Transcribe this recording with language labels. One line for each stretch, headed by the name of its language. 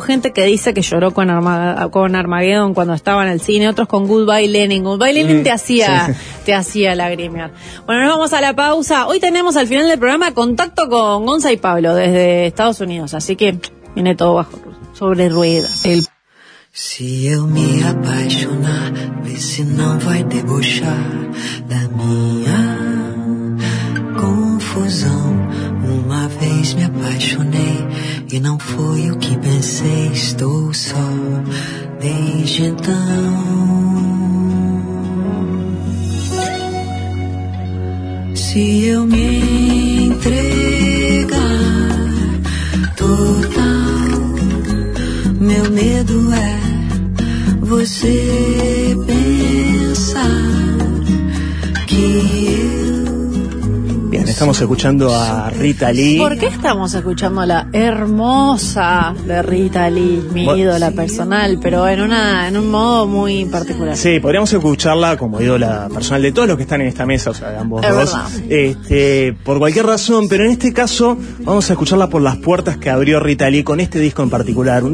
Spanish: Gente que dice que lloró con Armageddon cuando estaba en el cine. Otros con Goodbye Lenin. Goodbye Lenin te hacía lagrimear. Bueno, nos vamos a la pausa. Hoy tenemos al final del programa contacto con Gonza y Pablo desde Estados Unidos. Así que viene todo bajo sobre ruedas.
Portuguese: Se eu me apaixonar, vê se não vai debochar da minha confusão. Uma vez me apaixonei e não foi o que pensei. Estou só desde então. Se eu me entregar total, meu medo é você pensa que eu.
Spanish: Bien, estamos escuchando a Rita Lee. ¿Por qué estamos escuchando a la hermosa de Rita Lee, mi ídola personal, pero en un modo muy particular? Sí, podríamos escucharla como ídola personal de todos los que están en esta mesa, o sea, de ambos dos. Por cualquier razón, pero en este caso vamos a escucharla por las puertas que abrió Rita Lee con este disco en particular.